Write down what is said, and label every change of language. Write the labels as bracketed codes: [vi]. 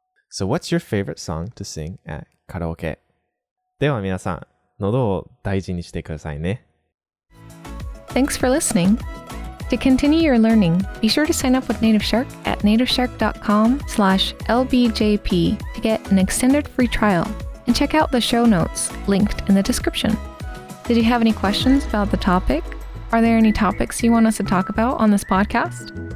[en] So, what's your favorite song to sing at karaoke? [ja] では皆さん、喉を大事にしてくださいね。 [en] Thanks for listening. To continue your learning, be sure to sign up with Native Shark at nativeshark.com/lbjp to get an extended free trial and check out the show notes linked in the description. Did you have any questions about the topic? Are there any topics you want us to talk about on this podcast?